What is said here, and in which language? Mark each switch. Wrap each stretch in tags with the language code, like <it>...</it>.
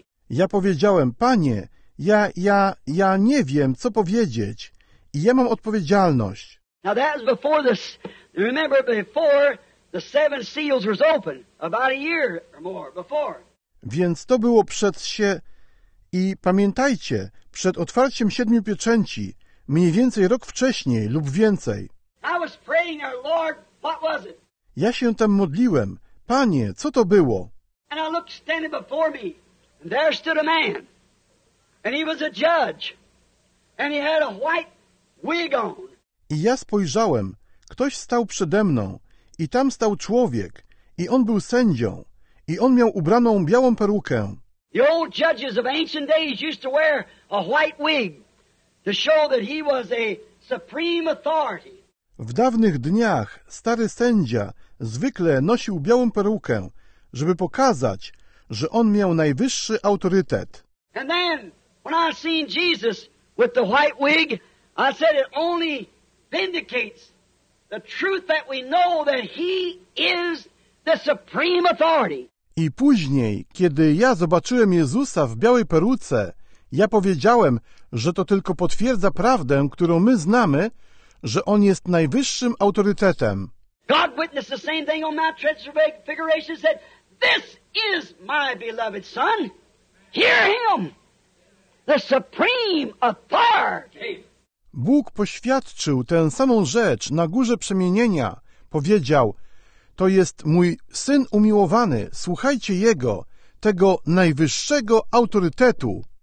<pl>Ja powiedziałem, Panie, ja nie wiem, co powiedzieć, i ja mam odpowiedzialność.</pl> <en>Now that was before this. Remember, before the seven seals was open, about a year or more before.</en> <pl>Więc to było przed się i pamiętajcie, przed otwarciem siedmiu pieczęci, mniej więcej rok wcześniej lub więcej.</pl> <en>I was praying, our Lord, what was it?</en> <pl>Ja się tam modliłem, Panie, co to było?</pl> <en>And I looked standing before me, and there stood a man, and he was a judge, and he had a white wig on.</en> <pl>I ja spojrzałem, ktoś stał przede mną, i tam stał człowiek, i on był sędzią, i on miał ubraną białą perukę.</pl> <en>The old judges of ancient days used to wear a white wig to show that he was a supreme authority.</en> <pl>W dawnych dniach stary sędzia zwykle nosił białą perukę, żeby pokazać, że on miał najwyższy autorytet.</pl> <en>And then, when I seen Jesus with the white wig, I said it only vindicates the truth that we know that he is the supreme authority.</en> <pl>I później, kiedy ja zobaczyłem Jezusa w białej peruce, ja powiedziałem, że to tylko potwierdza prawdę, którą my znamy, że on jest najwyższym autorytetem.</pl> <en>God witnessed the same thing on Mount Transfiguration, said, "This is my beloved son. Hear him. The supreme authority."</en> <pl>Bóg poświadczył tę samą rzecz na Górze Przemienienia. Powiedział, to jest mój Syn umiłowany, słuchajcie Jego, tego najwyższego autorytetu.</pl>